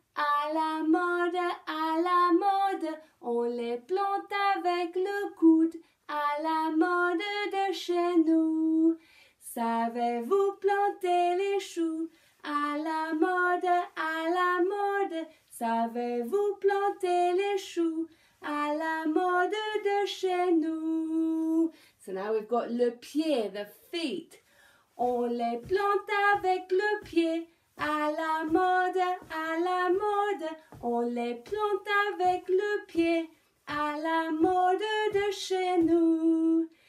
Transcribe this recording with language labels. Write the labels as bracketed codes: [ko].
[fr] À la mode, on les plante avec le coude. À la mode de chez nous. Savez-vous planter les choux? À la mode, savez-vous planter les choux? À la mode de chez nous. [en] So now we've got le pied, the feet. [fr] On les plante avec le pied. À la mode, on les plante avec le pied. À la mode de chez nous.